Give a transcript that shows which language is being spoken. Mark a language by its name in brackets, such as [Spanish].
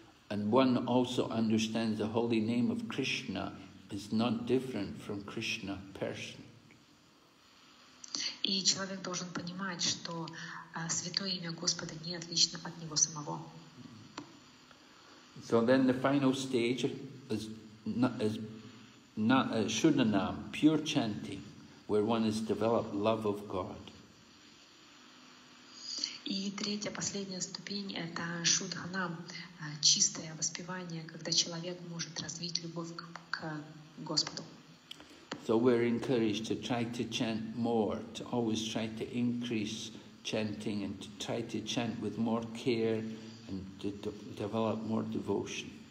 [English] And one also understands the holy name of Krishna is not different from Krishna person. [Russian] И человек должен понимать, что святое имя Господа не отлично от него самого. [English] So then the final stage is Shudanam, pure chanting, where one has developed love of God. [Russian] И третья, последняя ступень – это Шудханам, чистое воспевание, когда человек может развить любовь к Господу. [English] So we're encouraged to try to chant more, to always try to increase chanting and to try to chant with more care and to develop more devotion.